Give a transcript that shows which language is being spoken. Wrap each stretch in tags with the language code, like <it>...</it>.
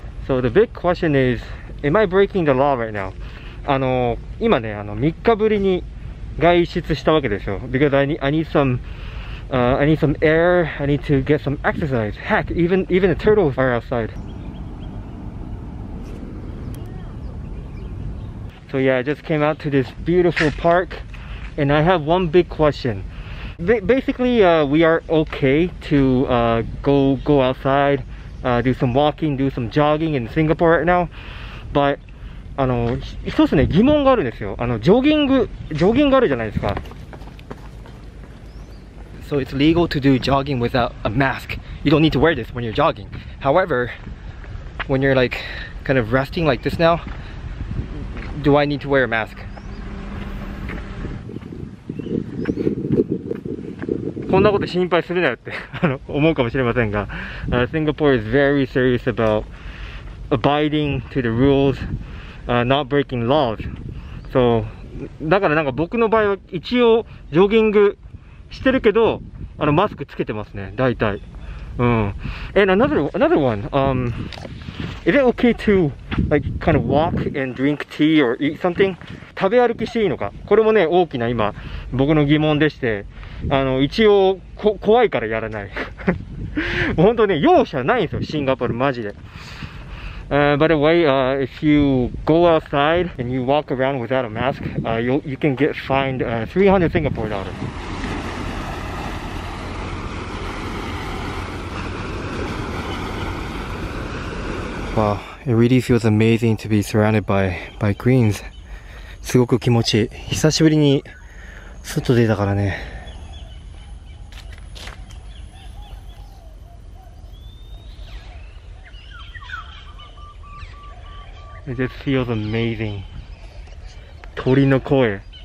<en>So the big question is, am I breaking the law right now?</en> <ja>あの、今ね、あの、3日ぶりに外出したわけですよ。</ja> <en>Because I need some air, I need to get some exercise. Heck, even the turtles are outside. So yeah, I just came out to this beautiful park, and I have one big question. Basically, we are okay to go outside, do some walking, do some jogging in Singapore right now, but...</en> <ja>あの一つね疑問があるんですよ。あのジョギングあるじゃないですか。</ja> <en>So it's legal to do jogging without a mask. You don't need to wear this when you're jogging. However, when you're like kind of resting like this now, do I need to wear a mask?</en> <ja>こんなこと心配するなよって思うかもしれませんが、</ja> <en>Singapore is very serious about abiding to the rules. Not breaking laws.</en> <ja>So, だからなんか僕の場合は一応ジョギングしてるけど、あのマスクつけてますね、大体。</ja> <en>うん。And another one. Is it okay to like kind of walk and drink tea or eat something?</en> <ja>食べ歩きしていいのか。これもね大きな今僕の疑問でして、あの一応怖いからやらない。本当ね容赦ないんですよシンガポールマジで。</ja> <en>By the way, if you go outside and you walk around without a mask, you can get fined 300 Singapore dollars. Wow, it really feels amazing to be surrounded by greens.</en> <ja>すごく気持ちいい。久しぶりに外出たからね。</ja> <en>It just feels amazing.</en> <ja>鳥の声。</ja>